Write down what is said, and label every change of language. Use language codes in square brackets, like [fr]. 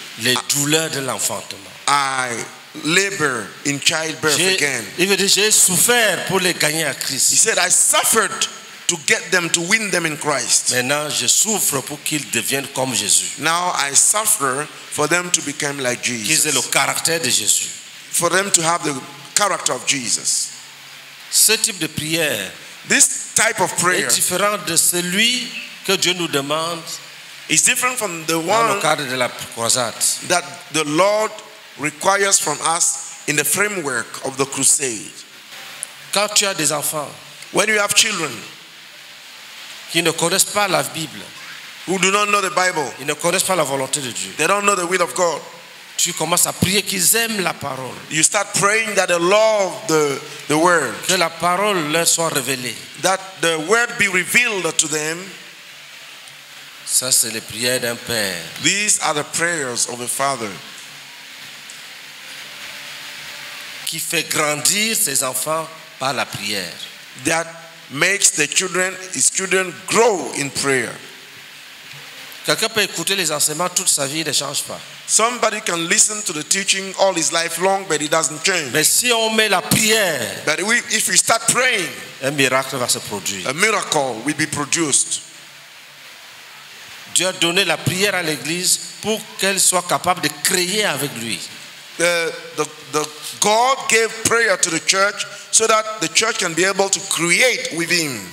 [fr] les douleurs de l'enfantement. [en] I labor in childbirth again. [fr] Il veut dire j'ai souffert pour les gagner à Christ. [en] He said I suffered to get them, to win them in Christ. [fr] Maintenant, je souffre pour qu'ils deviennent comme Jésus. [en] Now I suffer for them to become like Jesus. [fr] Qu'ils aient le caractère de Jésus. [en] For them to have the character of Jesus. [fr] Ce type de prière, [en] this type of prayer, [fr] est différent de celui que Dieu nous demande [en] It's different from the one [fr] dans le cadre de la croisade. [en] That the Lord requires from us in the framework of the crusade. [fr] Quand tu as des enfants, [en] when you have children [fr] qui ne connaissent pas la Bible, [en] who do not know the Bible, [fr] ils ne connaissent pas la volonté de Dieu, [en] they don't know the will of God, [fr] tu commences à prier qu'ils aiment la parole. [en] You start praying that they love the word. [fr] Que la parole leur soit révélée. [en] That the word be revealed to them. [fr] Ça, c'est les prières d'un père. [en] These are the prayers of a father. [fr] Qui fait grandir ses enfants par la prière. [en] That makes the children, his children grow in prayer. [fr] Quelqu'un peut écouter les enseignements toute sa vie, il ne change pas. [en] Somebody can listen to the teaching all his life long, but it doesn't change. [fr] Mais si on met la prière, [en] but we, if we start praying, [fr] un miracle va se produire. [en] A miracle will be produced. [fr] Dieu a donné la prière à l'Église pour qu'elle soit capable de créer avec lui. [en] The God gave prayer to the church so that the church can be able to create with him.